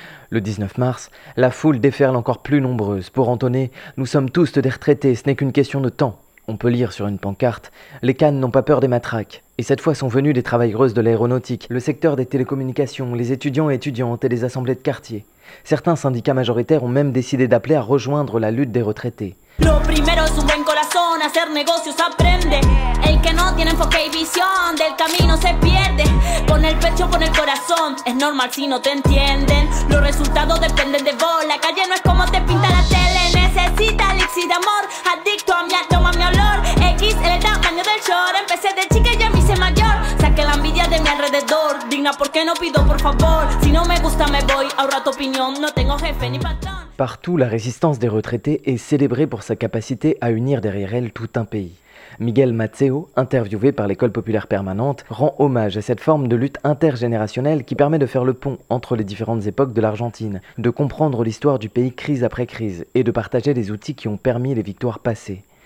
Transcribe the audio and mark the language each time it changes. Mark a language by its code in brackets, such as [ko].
[fr] Le 19 mars, la foule déferle encore plus nombreuse pour entonner « Nous sommes tous des retraités, ce n'est qu'une question de temps ». On peut lire sur une pancarte « Les cannes n'ont pas peur des matraques ». Et cette fois sont venues des travailleuses de l'aéronautique, le secteur des télécommunications, les étudiants et étudiantes et les assemblées de quartier. Certains syndicats majoritaires ont même décidé d'appeler à rejoindre la lutte des retraités. [es] Lo primero es un buen corazón, hacer negocios aprende. El que no tiene enfoque y visión, del camino se pierde. Con el pecho, con el corazón, es normal si no te entienden. Los resultados dependen de vos, la calle no es como te pinta la tele. Necesitas lixi de amor, adicto a mi acto, a mi olor. X, el tamaño del short, empecé de chica y ya me hice mayor. Saqué la envidia de mi alrededor, digna porque no pido por favor. Si no me gusta me voy, ahorra tu opinión, no tengo jefe ni patrón. [fr] Partout, la résistance des retraités est célébrée pour sa capacité à unir derrière elle tout un pays. Miguel Mazzeo, interviewé par l'École Populaire Permanente, rend hommage à cette forme de lutte intergénérationnelle qui permet de faire le pont entre les différentes époques de l'Argentine, de comprendre l'histoire du pays crise après crise et de partager les outils qui ont permis les victoires passées.